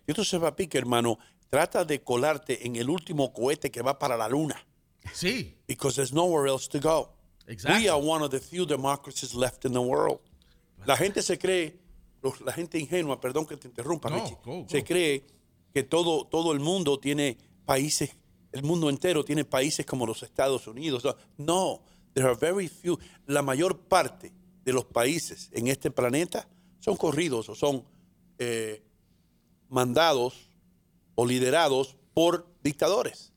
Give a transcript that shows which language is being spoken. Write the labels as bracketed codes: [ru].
[es] Si esto se va a pique, hermano, trata de colarte en el último cohete que va para la luna. Sí. [en] Because there's nowhere else to go. Exactly. We are one of the few democracies left in the world. [es] La gente se cree, la gente ingenua, perdón que te interrumpa, no, Richie, [en] go. [es] Se cree que todo el mundo tiene países, el mundo entero tiene países como los Estados Unidos. [en] No, there are very few. [es] La mayor parte de los países en este planeta son corridos o son mandados o liderados por dictadores.